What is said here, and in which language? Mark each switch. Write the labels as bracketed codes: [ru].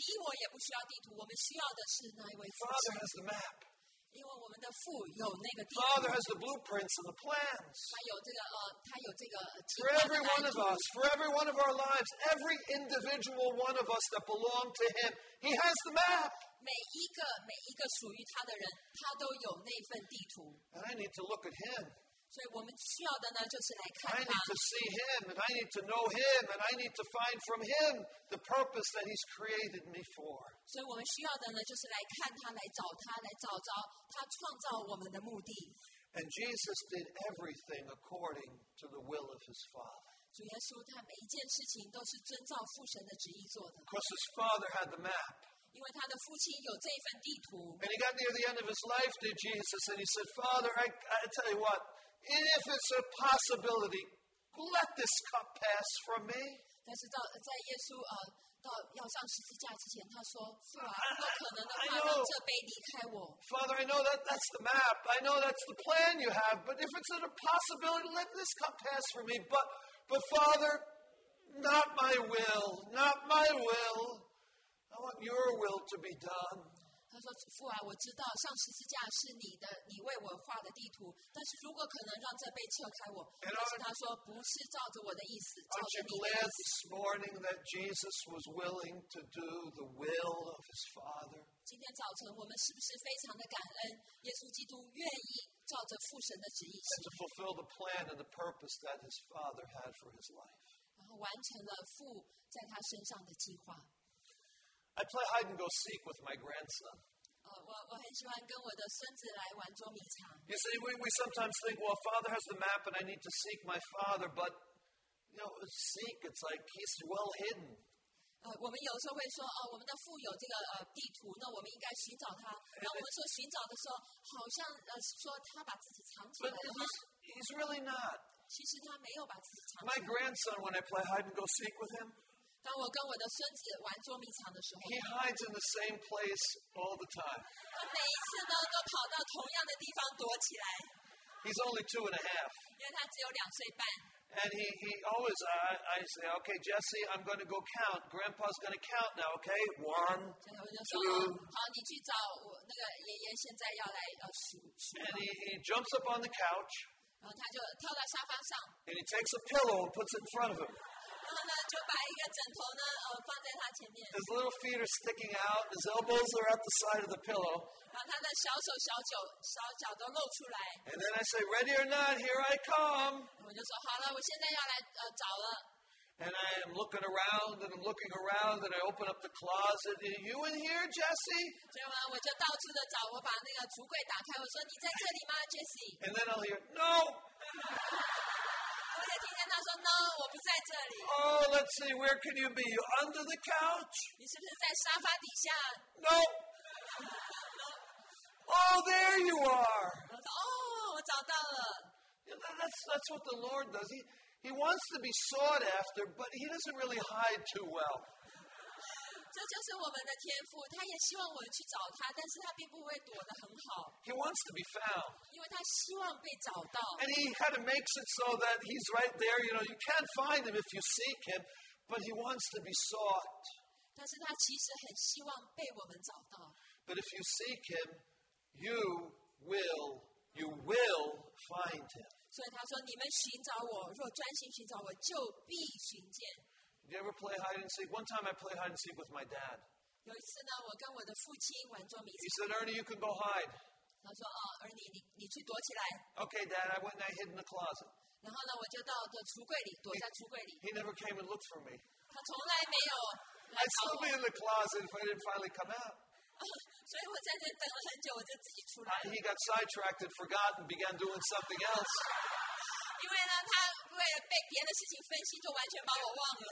[zh] 所以呢，他就对他说：“你不需要地图，你不需要地图，你我也不需要地图。我们需要的是那一位父亲。” [en] Father has the map. [zh] 因为我们的父有那个地图。 [en] Father has the blueprints and the plans. [zh] 他有这个。 [en] For every one of us, for every one of our lives, every individual one of us that belong to Him, He has the map. [zh] 每一个属于他的人，他都有那份地图。 [en] And I need to look at Him. [zh] 所以我们需要的呢，就是来看他。 [en] I need to see Him, and I need to know Him, and I need to find from Him the purpose that He's created me for. [zh] 所以我们需要的呢，就是来看他，来找他，来找着他创造我们的目的。 [en] And Jesus did everything according to the will of His Father. [zh] 主耶稣他每一件事情都是遵照父神的旨意做的。 [en] Because his father had the map. [zh] 因为他的父亲有这一份地图。 [en] And he got near the end of his life, did Jesus, and he said, "Father, I tell you what, if it's a possibility, let this cup pass from me." [zh] 但是到在耶稣到要上十字架之前，他说：“父啊，如果可能的话， [en] I know, [zh] 让这杯离开我。” [en] Father, I know that that's the map. I know that's the plan you have. But if it's a possibility, let this cup pass for me. But Father, not my will, not my will. I want your will to be done. [zh] 他说：“父啊，我知道上十字架是你的，你为我画的地图。但是如果可能让这杯撤开我，但是他说不是照着我的意思，照着你的意思。” [en] Aren't you glad this morning that Jesus was willing to do the will of his Father? [zh] 今天早晨我们是不是非常的感恩，耶稣基督愿意照着父神的旨意行？ [en] And to fulfill the plan and the purpose that his Father had for his life. [zh] 然后完成了父在他身上的计划。 [en] I play hide and go seek with my grandson. [zh] 我很喜欢跟我的孙子来玩捉迷藏。 [en] You see, we sometimes think, well, Father has the map, and I need to seek my Father. But you know, seek, it's like he's well hidden. [zh] 我们有时候会说，我们的父有这个地图，那我们应该寻找他。然后我们说寻找的时候，好像说他把自己藏起来了吗？ [en] He's really not. [zh] 其实他没有把自己藏起来。 [en] My grandson, when I play hide and go seek with him. [zh] 当我跟我的孙子玩捉迷藏的时候 [en] ，He hides in the same place all the time. [zh] 他每一次呢，都跑到同样的地方躲起来。 [en] He's only two and a half. [zh] 因为他只有两岁半。 [en] And he always I say, okay, Jesse, I'm going to go count. Grandpa's going to count now, okay? One, two. [zh] 好，你去找我那个爷爷，现在要来数。 [en] And he jumps up on the couch. [zh] 然后他就跳到沙发上。 [en] And he takes a pillow and puts it in front of him. [zh] 就把一个枕头呢，放在他前面。 [en] His little feet are sticking out. His elbows are at the side of the pillow. [zh] 然后他的小手小脚都露出来。 [en] And then I say, "Ready or not, here I come." [zh] 我就说好了，我现在要来找了。 [en] And I am looking around and I'm looking around and I open up the closet. Are you in here, Jesse? [zh] 结果我就到处的找，我把那个橱柜打开，我说你在这里吗 ，Jesse？ [en] And then I'll hear, "No." [zh] 我就听见他说 ： [en] “No， [zh] 我不在这里。” [en] Oh, let's see. Where can you be? You under the couch? [zh] 你是不是在沙发底下 [en] ？No. Oh, there you are. [zh] 我找到了。 [en] You know, that's what the Lord does. He wants to be sought after, but he doesn't really hide too well. [zh] 这就是我们的天父，他也希望我们去找他，但是他并不会躲得很好。 [en] He wants to be found. [zh] 因为他希望被找到。 [en] And he kind of makes it so that he's right there. You know, you can't find him if you seek him, but he wants to be sought. [zh] 但是他其实很希望被我们找到。 [en] But if you seek him, you will find him. [zh] 所以他说：“你们寻找我，若专心寻找我，就必寻见。” [en] Did you ever play hide and seek? One time I played hide and seek with my dad. [zh] 有一次呢，我跟我的父亲玩捉迷藏。 [en] He said, "Ernie, you can go hide." [zh] 他说：“哦 ，Ernie， 你去躲起来。” [en] Okay, Dad. I went and I hid in the closet. [zh] 然后呢，我就到的橱柜里，躲在橱柜里。 [en] He never came and looked for me. [zh] 他从来没有来找我。 [en] I'd still be in the closet if I didn't finally come out. [zh] 所以我在这等了很久，我就自己出来了。 [en] He got sidetracked and forgot and began doing something else. [zh] 因为呢，他。为了被别的事情分心，就完全把我忘了。